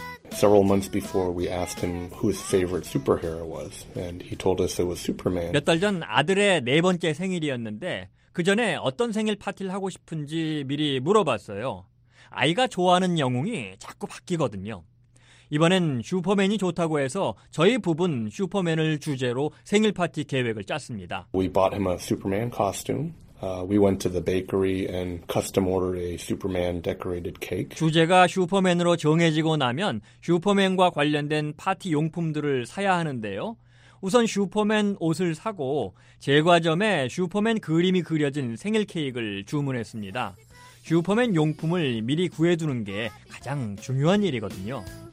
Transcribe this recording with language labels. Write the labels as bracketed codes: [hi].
[en] Several months before, we asked him who his favorite superhero was, and he told us it was Superman. [ko] 몇 달 전 아들의 네 번째 생일이었는데 그 전에 어떤 생일 파티를 하고 싶은지 미리 물어봤어요. 아이가 좋아하는 영웅이 자꾸 바뀌거든요. 이번엔 슈퍼맨이 좋다고 해서 저희 부부는 슈퍼맨을 주제로 생일 파티 계획을 짰습니다. [en] We bought him a Superman costume. We went to the bakery and custom ordered a Superman decorated cake. [ko] 주제가 슈퍼맨으로 정해지고 나면 슈퍼맨과 관련된 파티 용품들을 사야 하는데요. 우선 슈퍼맨 옷을 사고 제과점에 슈퍼맨 그림이 그려진 생일 케이크를 주문했습니다. 슈퍼맨 용품을 미리 구해두는 게 가장 중요한 일이거든요.